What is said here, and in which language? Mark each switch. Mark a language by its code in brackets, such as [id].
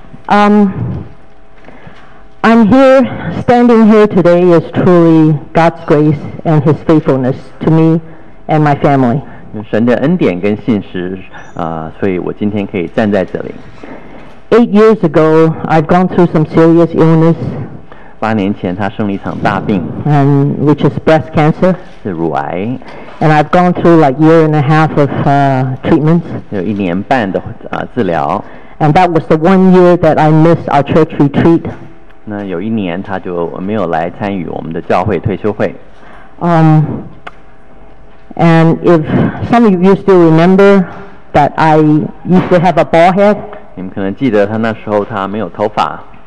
[en] I'm here, standing here today is truly God's grace and His faithfulness to me and my family. [zh] 神的恩典跟信实所以我今天可以站在这里。 [en] 8 years ago, I've gone through some serious illness. [zh] 八年前他生了一场大病。 [en] And which is breast cancer. [zh] 是乳癌。 [en] And I've gone through like year and a half of treatments. [zh] 有一年半的治疗。 [en] And that was the 1 year that I missed our church retreat. [zh] 那有一年他就没有来参与我们的教会退休会。 [en] And if some of you still remember that I used to have a bald head. [zh] 你们可能记得他那时候他没有头发。